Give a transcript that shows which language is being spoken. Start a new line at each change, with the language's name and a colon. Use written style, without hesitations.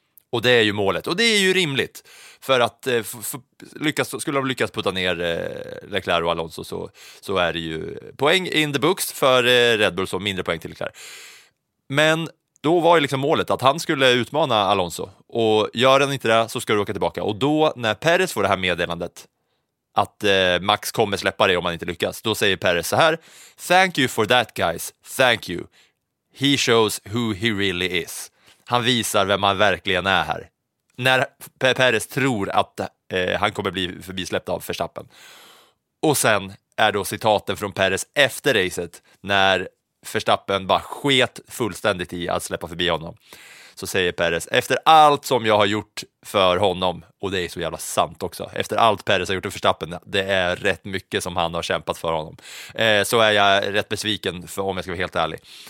Swedish: Och det är ju målet, och det är ju rimligt. För att skulle de lyckas putta ner Leclerc och Alonso, så är det ju poäng
English: in the books
Swedish: för Red Bull, så mindre poäng till Leclerc. Men då var ju liksom målet att han skulle utmana Alonso, och gör han inte det så ska du åka tillbaka. Och då när Perez får det här meddelandet att Max kommer släppa dig om han inte lyckas, då säger Perez så här:
English: thank you for that guys, thank you. He shows who he really is.
Swedish: Han visar vem han verkligen är här. När Perez tror att han kommer bli förbisläppt av Verstappen. Och sen är då citaten från Perez efter racet, när Verstappen bara sket fullständigt i att släppa förbi honom. Så säger Perez: efter allt som jag har gjort för honom, och det är så jävla sant också, efter allt Perez har gjort för Verstappen, det är rätt mycket som han har kämpat för honom, så är jag rätt besviken, för om jag ska vara helt ärlig.